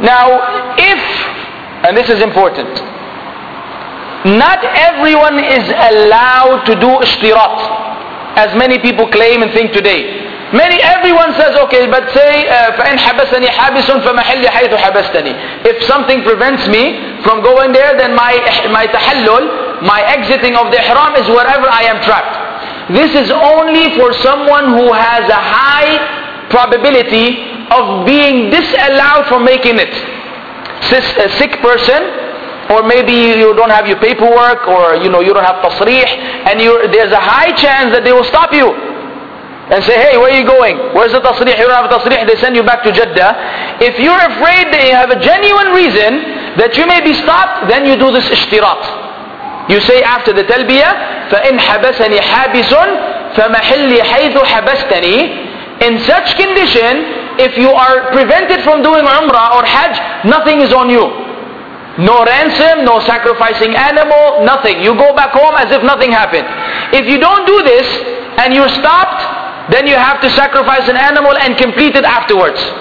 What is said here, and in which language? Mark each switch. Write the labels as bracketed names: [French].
[English] Now, if, and this is important, not everyone is allowed to do Ishtirat, as many people claim and think today. Everyone says, okay, but say, [Arabic] فَإِنْ حَبَسَنِي حَابِسٌ فَمَحِلِّ حَيْثُ حَبَسْتَنِي. [English] If something prevents me from going there, then my tahallul, my exiting of the ihram, is wherever I am trapped. This is only for someone who has a high probability of being disallowed from making it. A sick person, or maybe you don't have your paperwork, or you know, you don't have tasrih, and there's a high chance that they will stop you and say, hey, where are you going? Where's the tasrih? You don't have a tasrih, they send you back to Jeddah. If you're afraid that you have a genuine reason that you may be stopped, then you do this ishtirat. You say after the talbiyah, [Arabic] فَإِنْ حَبَسَنِي حَابِسٌ فَمَحِلِّي حَيْثُ حَبَسْتَنِي. [English] In such condition, if you are prevented from doing Umrah or Hajj, nothing is on you. No ransom, no sacrificing animal, nothing. You go back home as if nothing happened. If you don't do this and you're stopped, then you have to sacrifice an animal and complete it afterwards.